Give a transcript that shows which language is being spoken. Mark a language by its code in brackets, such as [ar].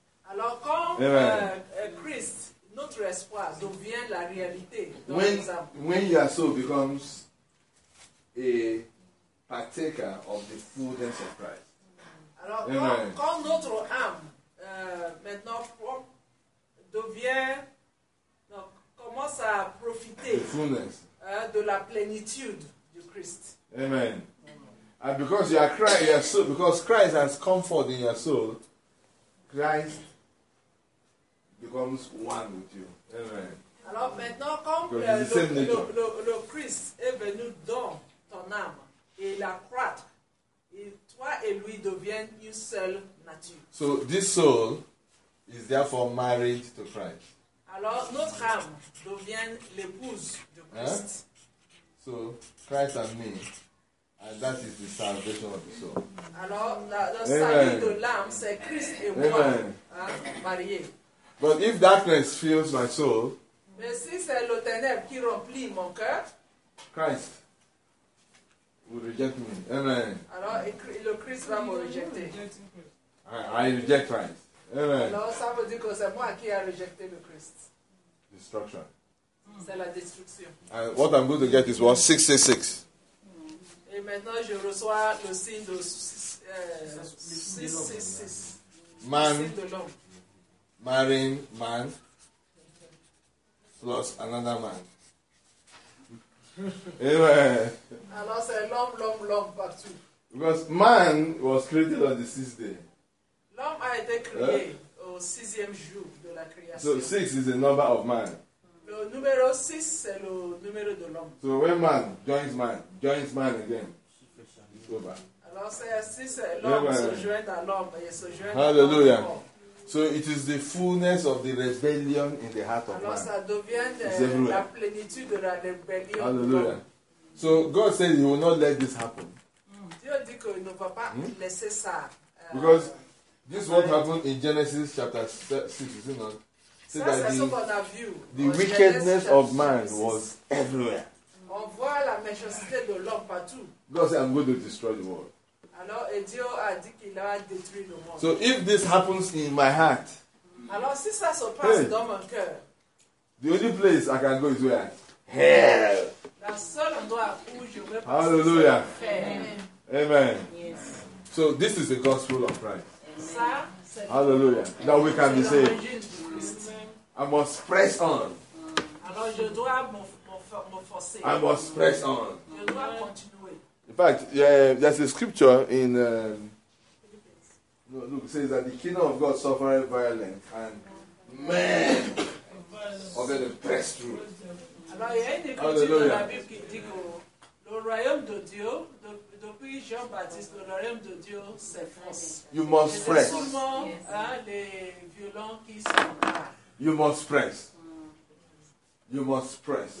[fr] Alors, quand Christ, notre espoir, devient la réalité. [en] When your soul becomes a partaker of the fullness of Christ. [fr] Alors, quand notre âme, maintenant, devient... commence à profiter de la plénitude du Christ. Amen. [en] And because you are Christ, your soul, because Christ has comfort in your soul, Christ becomes one with you. Amen. [fr] Alors maintenant, comme le Christ est venu dans ton âme et la croit, toi et lui deviennent une seule nature. [en] So this soul is therefore married to Christ. [fr] Alors, notre âme devient l'épouse de Christ. Hein? [en] So, Christ and me, and that is the salvation of the soul. [fr] Alors, le salut de l'âme, c'est Christ et moi, hein, mariés. [en] But if darkness fills my soul, [fr] mais si c'est le ténèbre qui remplit mon cœur, [en] Christ will reject me. Amen. [fr] Alors, le Christ va me rejeter. [en] I reject Christ. Amen. [fr] Alors, ça veut dire que c'est moi qui ai rejeté le Christ. [en] Destruction. [fr] C'est la destruction. [en] And what I'm going to get is what? 666. [fr] Et maintenant, je reçois le signe de 666. [en] Man. Marrying man plus another man. Amen. [fr] Alors, c'est l'homme partout. [en] Because man was created on the sixth day. [fr] L'homme a été créé au sixième jour de la création. [en] So six is the number of man. [fr] Le numéro six, c'est le numéro de l'homme. [en] So when man joins man again, it's over. [fr] Alors c'est l'homme se joint à l'homme et se joint Hallelujah. À l'homme. [en] So it is the fullness of the rebellion in the heart of [fr] Alors, [en] man. [fr] Alors ça devient la plénitude de la rébellion. Hallelujah. [en] So God says he will not let this happen. [fr] Dieu dit qu'il ne va pas laisser ça. [en] Because this is what happened in Genesis chapter 6, isn't it? [fr] C'est that [en] the, [fr] on a vu, [en] the wickedness of man 6. Was everywhere. [fr] On voit la méchanceté de l'homme partout. [en] God said, I'm going to destroy the world. [fr] Alors, et Dieu a dit qu'il a détruit le monde. [en] So if this happens in my heart, [fr] alors, si ça se passe dans mon cœur, [en] the only place I can go is where? Hell! [fr] La seule endroit où je veux Hallelujah. Amen. Amen. [en] Yes. So this is the gospel of Christ. [fr] Ça, [en] Hallelujah. That we can be saved. I must press on. [fr] Alors, je dois me forcer. [en] I must press on. [fr] Je dois continuer. [en] In fact, there's a scripture in it says that the kingdom of God suffered violence and men are going to press through. [fr] Alors, il y a une écriture dans la Bible qui dit que le royaume de Dieu, depuis dit Jean-Baptiste, le royaume de Dieu s'efforce. [en] You must press. [fr] Seulement, hein, les violents qui sont là. [en] You must press. You must press.